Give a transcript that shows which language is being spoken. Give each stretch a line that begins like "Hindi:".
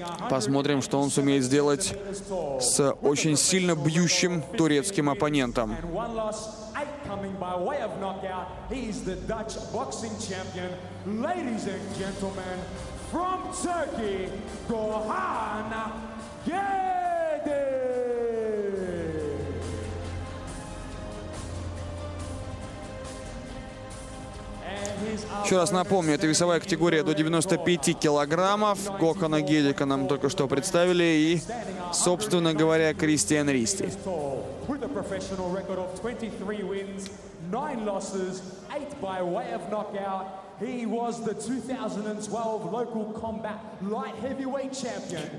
Russian: Посмотрим, что он сумеет сделать с очень сильно бьющим турецким оппонентом.
English: Coming by way of knockout, he's the Dutch boxing champion, ladies and gentlemen, from Turkey, Gohan Gedik.
Russian: Еще раз напомню, это весовая категория до 95 килограммов. Гохана Гедика нам только что представили и, собственно говоря, Кристиан Ристи.
English: With a professional record of 23 wins, 9 losses, 8 by way of knockout, he was the 2012 local combat light heavyweight champion.